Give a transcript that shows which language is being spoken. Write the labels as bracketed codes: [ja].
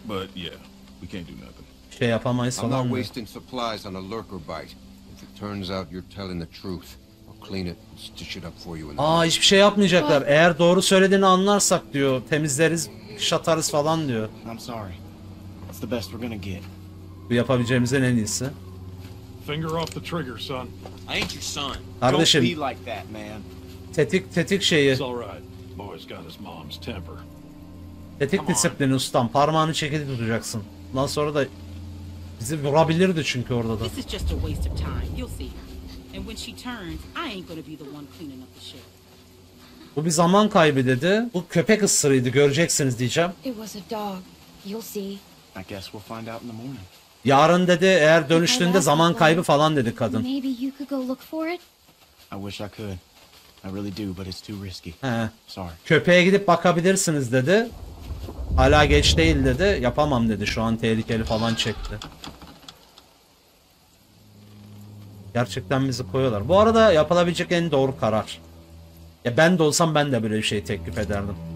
[en] But yeah, we can't do nothing. [tr] Şey yapamayız falan. [en] I'm not wasting supplies on a lurker bite. If it turns out you're telling the truth. Clean it, stitch it up for you. [tr] Aa, hiçbir şey yapmayacaklar. Eğer doğru söylediğini anlarsak diyor, temizleriz, şatarız falan diyor. [en] I'm sorry. It's the best we're gonna get. [tr] Bu yapabileceğimizin en iyisi. [en] Finger off the trigger, son. I ain't your son. [tr] Kardeşim. [en] Don't be like that, man. [tr] Tetik şeyi. [en] It's all right. Boy's got his mom's temper. [tr] Tetik disiplini ustam. Parmağını çekili tutacaksın. Ondan sonra da bizi vurabilirdi çünkü orada da. [en] This is just a waste of time. You'll see. And when she turns, I ain't gonna be the one cleaning up the shit. [tr] Bu bir zaman kaybı dedi. Bu köpek ısırığıydı, göreceksiniz diyeceğim. [en] It was a dog. You'll see. I guess we'll find out in the morning. [tr] Yarın dedi, eğer dönüştüğünde zaman kaybı falan dedi kadın. [en] Maybe you could go look for it. I wish I could. I really do, but it's too risky. He. Sorry. [tr] Köpeğe gidip bakabilirsiniz dedi. Hala geç değil dedi. Yapamam dedi. Şu an tehlikeli falan çekti. Gerçekten bizi koyuyorlar. Bu arada yapılabilecek en doğru karar. Ya ben de olsam ben de böyle bir şey teklif ederdim.